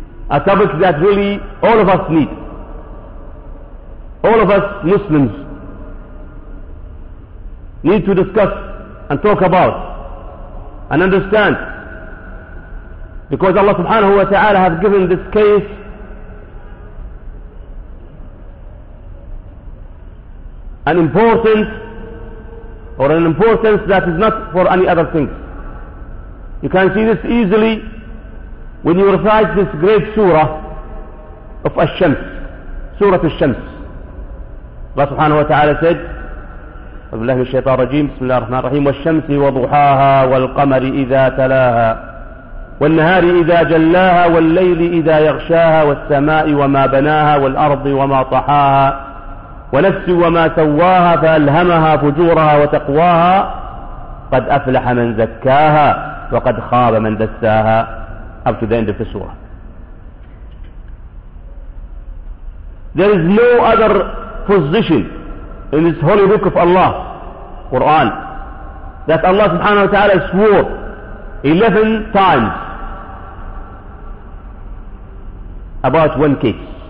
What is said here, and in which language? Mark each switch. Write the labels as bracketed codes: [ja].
[en] A topic that really all of us need. All of us Muslims need to discuss and talk about and understand, because Allah subhanahu wa ta'ala has given this case an importance, or an importance that is not for any other things. You can see this easily when you recite this great surah of Ash-Shams, Surah Ash-Shams. [ar] Allah subhanahu wa ta'ala said, أعوذ بالله من الشيطان الرجيم، بسم الله الرحمن الرحيم. والشمس وضحاها والقمر إذا تلاها والنهار إذا جلاها والليل إذا يغشاها والسماء وما بناها والأرض وما طحاها ونفس وما سواها فألهمها فجورها وتقواها قد أفلح من زكاها وقد خاب من دساها. [en] Up to the end of the surah. There is no other position in this holy book of Allah, Quran, that Allah subhanahu wa ta'ala swore 11 times about one case.